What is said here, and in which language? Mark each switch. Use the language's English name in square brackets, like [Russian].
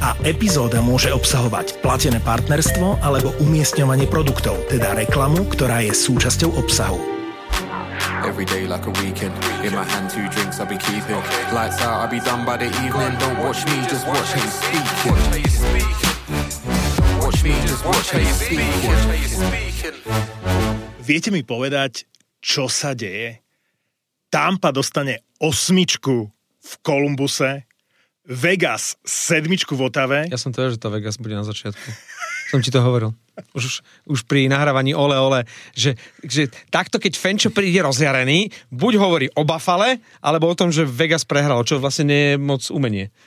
[Slovak] A epizóda môže obsahovať platené partnerstvo alebo umiestňovanie produktov, teda reklamu, ktorá je súčasťou obsahu. [English] Every day like a weekend, in my hand two drinks I'll be keeping. Lights out, I'll be done by the evening. Don't watch me, just watch how you speak. Watch how you speak. Watch me, just watch how you speak. Watch how you speak. [Slovak] Viete mi povedať, čo sa deje? Tampa dostane osmičku v Kolumbuse, Vegas sedmičku v Otave. Ja som teda, že to Vegas bude na začiatku. Som ti to hovoril. Už pri nahrávaní ole ole, že takto keď Fenčo príde rozjarený, buď hovorí o Buffale, alebo o tom, že Vegas prehral, čo vlastne nie je moc umenie.